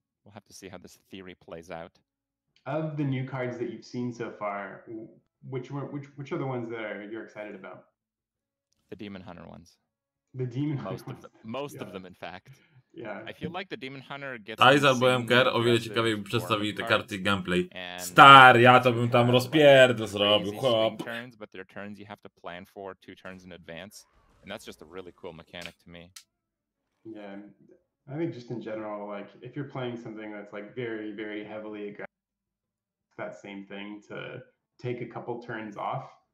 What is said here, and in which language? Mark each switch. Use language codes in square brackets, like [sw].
[en] We'll have to see how this theory plays out. Of the new cards that you've seen so far, which are the ones that are you're excited about? The Demon Hunter ones. The Demon Hunter most ones. Of them, most yeah. of them, in fact. Yeah. I feel like the Demon Hunter gets. [pl] Tajs albo MKR o wiele ciekawiej by przedstawili te karty gameplay. Star, ja to bym tam rozpierdol zrobił, chłop. [en] Turns, but there are turns you have to plan for two turns in advance, and that's just a really cool mechanic to me. Yeah. I think just in general, like if you're playing something that's like very, very heavily aggressive, that same thing to take a couple turns off.